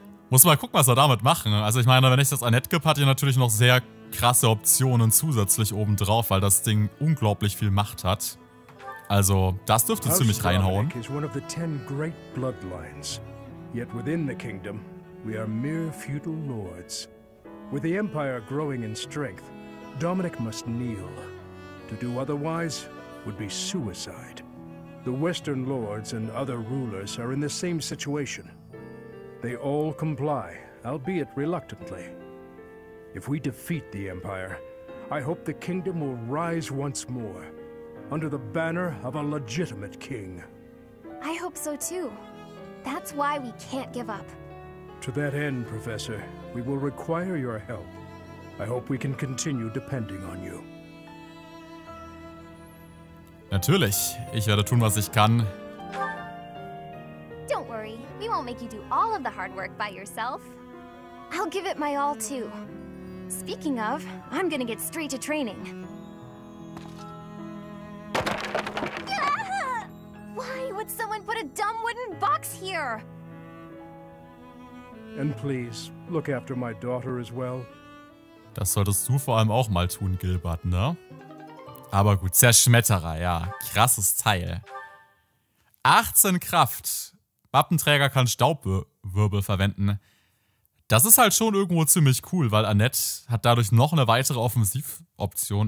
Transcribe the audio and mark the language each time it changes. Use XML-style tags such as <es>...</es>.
<de>Muss mal gucken, was er damit machen. Also ich meine, wenn ich das Annette gebe, hat ihr natürlich noch sehr krasse Optionen zusätzlich obendrauf, weil das Ding unglaublich viel Macht hat. Also das dürfte ziemlich reinhauen. Haus Dominic ist eine der 10 großen Blutlinien.</de> <en>Yet within the kingdom, we are mere feudal lords. With the empire growing in strength, Dominic must kneel. To do otherwise would be suicide. The western lords and other rulers are in the same situation. They all comply, albeit reluctantly. If we defeat the Empire, I hope the kingdom will rise once more, under the banner of a legitimate king. I hope so too. That's why we can't give up. To that end, Professor, we will require your help. I hope we can continue depending on you.</en> <de>Natürlich, ich werde tun, was ich kann.</de> <en>We won't make you do all of the hard work by yourself. I'll give it my all too. Speaking of, I'm gonna get straight to training. Yeah! Why would someone put a dumb wooden box here? And please, look after my daughter as well.</en> <de>Das solltest du vor allem auch mal tun, Gilbert, ne? Aber gut, Zerschmetterer, ja. Krasses Teil. 18 Kraft. Wappenträger kann Staubwirbel verwenden. Das ist halt schon irgendwo ziemlich cool, weil Annette hat dadurch noch eine weitere Offensivoption.</de>